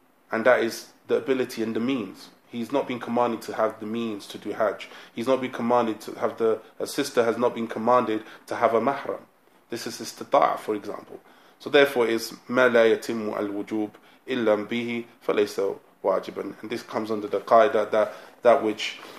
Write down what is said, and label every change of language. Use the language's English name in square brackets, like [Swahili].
[English] And that is the ability and the means. He's not been commanded to have the means to do Hajj. He's not been commanded to have the... A sister has not been commanded to have a mahram. This is istita'a, for example. So therefore it's [Arabic] مَا لَا يَتِمُّ الْوُجُوبُ إِلَّا بِهِ فَلَيْسَ وَاجِبًا. [English] And this comes under the qaida that which...